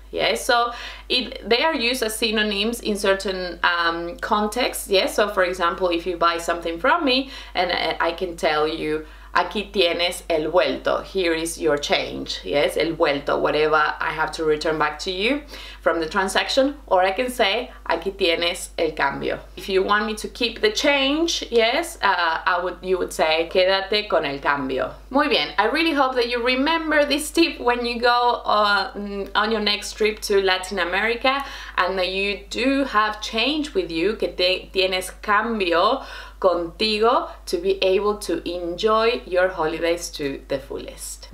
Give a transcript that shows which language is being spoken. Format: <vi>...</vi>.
<en>Yes, yeah, so they are used as synonyms in certain contexts. Yes, yeah? So for example, if you buy something from me and I can tell you,</en> <es>aquí tienes el vuelto,</es> <en>here is your change. Yes, el vuelto, whatever I have to return back to you from the transaction. Or I can say,</en> <es>aquí tienes el cambio.</es> <en>If you want me to keep the change, yes, you would say,</en> <es>quédate con el cambio. Muy bien,</es> <en>I really hope that you remember this tip when you go on your next trip to Latin America and that you do have change with you,</en> <es>que tienes cambio contigo,</es> <en>to be able to enjoy your holidays to the fullest.</en>